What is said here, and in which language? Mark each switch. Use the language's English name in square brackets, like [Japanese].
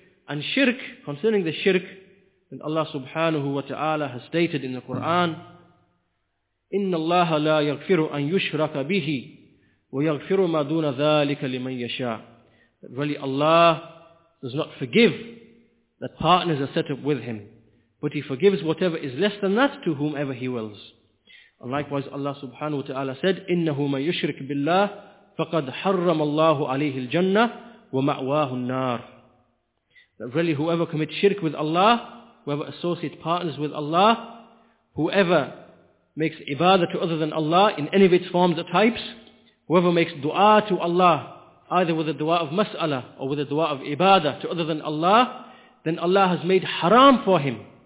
[English] And shirk, concerning the shirk, then Allah subhanahu wa ta'ala has stated in the Quran, [Arabic] إِنَّ اللَّهَ لَا يَغْفِرُ أَن يُشْرَكَ بِهِ وَيَغْفِرُ مَا دُونَ ذَٰلِكَ لِمَن يَشَاءُ. [English] That really Allah does not forgive that partners are set up with Him, but He forgives whatever is less than that to whomever He wills. And likewise Allah subhanahu wa ta'ala said, [Arabic] إِنَّهُ مَن يُشْرِكْ بِاللَّهِ فَقَدْ حَرَّمَ اللَّهُ عَلَيْهِ الْجَنَّةِ وَمَأْوَاهُ النَّارِ. [English] That really whoever commits shirk with Allah, whoever associates partners with Allah, whoever makes ibadah to other than Allah in any of its forms or types, whoever makes dua to Allah, either with a dua of mas'ala or with a dua of ibadah to other than Allah, then Allah has made haram for him.